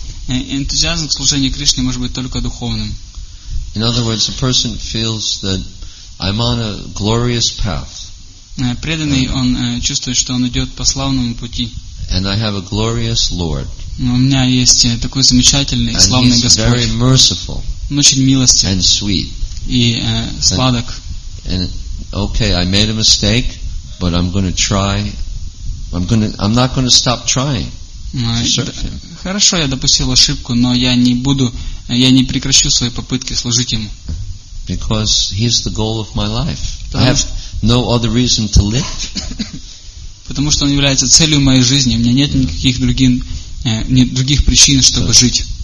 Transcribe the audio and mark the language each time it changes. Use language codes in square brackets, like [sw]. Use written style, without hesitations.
[ru] Энтузиазм к служению Кришне может быть только духовным. [en] In other words, a person feels that I'm on a glorious path. [ru] Преданный, он чувствует, что он идет по славному пути. [en] And I have a glorious Lord. [ru] У меня есть такой замечательный, славный Господь. [en] And he's very merciful. [ru] Он очень милостив. [en] And sweet. [ru] И сладок. [en] Okay, I made a mistake, but I'm going to try. I'm not going to stop trying to serve him. [ru] Хорошо, я допустил ошибку, но я не прекращу свои попытки служить ему. [en] Because he's the goal of my life. I have no other reason to live. [ru] Потому что он является целью моей жизни. У меня нет никаких других причин, чтобы жить.